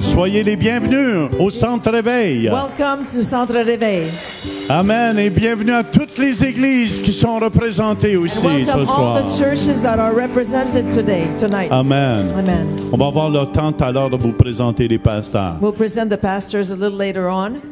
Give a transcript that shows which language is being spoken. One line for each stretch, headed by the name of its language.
French: Soyez les bienvenus au Centre Réveil.
English: Welcome to Centre Réveil.
French: Amen et bienvenue à toutes les églises qui sont représentées aussi
English: and welcome
French: ce soir.
English: All the churches that are represented today, tonight. Amen. Amen.
French: On va avoir le temps tout à l'heure de vous présenter les pasteurs.
English: We'll present the pastors a little later on.